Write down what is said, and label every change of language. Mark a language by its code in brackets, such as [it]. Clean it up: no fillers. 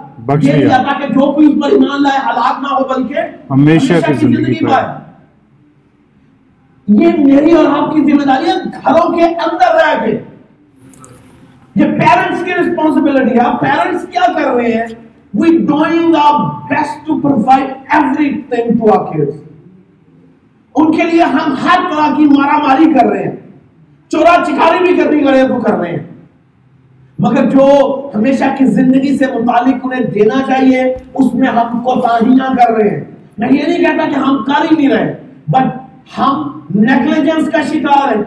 [hi] ये दिया था कि जो कोई उस पर ईमान लाए हलाक ना हो बल्कि हमेशा की जिंदगी पाए। ये मेरी और आपकी जिम्मेदारी है घरों के अंदर रह के। ये पेरेंट्स की रिस्पॉन्सिबिलिटी है। पेरेंट्स क्या कर रहे हैं? [en] We doing our best to provide everything to our kids. [hi] उनके लिए हम हर तरह की मारामारी कर रहे हैं, चोरा चिकारी भी करनी पड़े तो कर रहे हैं, मगर जो हमेशा की जिंदगी से मुतालिक उन्हें देना चाहिए उसमें हम कोताहियां कर रहे हैं। मैं ये नहीं कहता कि हम कर ही नहीं रहे, बट हम नेग्लिजेंस का शिकार है।